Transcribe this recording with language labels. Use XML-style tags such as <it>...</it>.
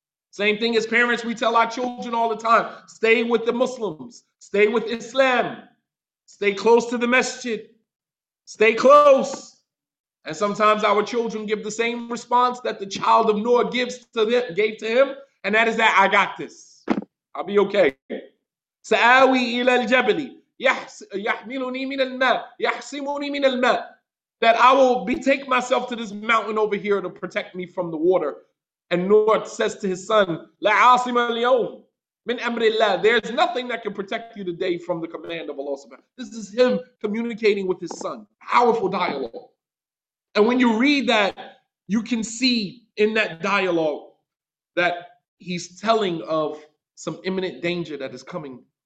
<en>Same thing as parents, we tell our children all the time, stay with the Muslims, stay with Islam, stay close to the masjid, stay close. And sometimes our children give the same response that the child of Noah gave to him, and that is that, I got this. I'll be okay.</en> <ar>سآوي إلى الجبل يحملني من الماء يحسمني من الماء.</ar> <en>That I will betake myself to this mountain over here to protect me from the water. And Nuh says to his son,</en> <ar>لا عاصم اليوم من أمر الله.</ar> <en>There's nothing that can protect you today from the command of Allah subhanahu wa ta'ala. This is him communicating with his son. Powerful dialogue. And when you read that, you can see in that dialogue that he's telling of some imminent danger that is coming.</en>